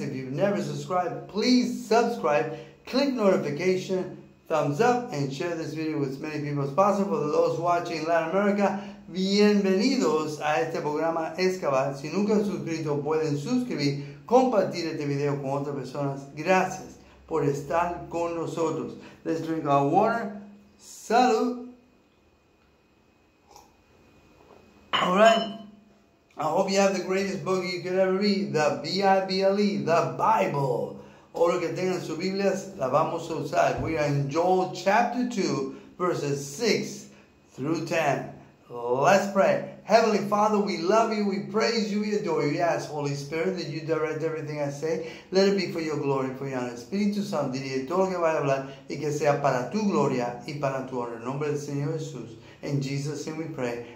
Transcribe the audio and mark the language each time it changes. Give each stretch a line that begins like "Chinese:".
English: If you've never subscribed, please subscribe, click notification, thumbs up, and share this video with as many people as possible. For those watching Latin America,
Spanish: bienvenidos a este programa Excavar. Si nunca han suscrito, pueden suscribir, compartir este video con otras personas. Gracias por estar con nosotros.
English: Let's drink our water.
Spanish: Salud.
English: All right. I hope you have the greatest book you could ever read, the B-I-B-L-E, the Bible.
Spanish: Oro que tengan sus Biblias, la vamos a usar.
English: We are in Joel chapter 2, verses 6 through 10. Let's pray. Heavenly Father, we love you, we praise you, we adore you. Yes, Holy Spirit, that you direct everything I say. Let it be for your glory, for your honor.
Spanish: Espíritu Santo, dirige todo lo que voy a hablar y que sea para tu gloria y para tu honor. En nombre del Señor Jesús,
English: in Jesus' name we pray.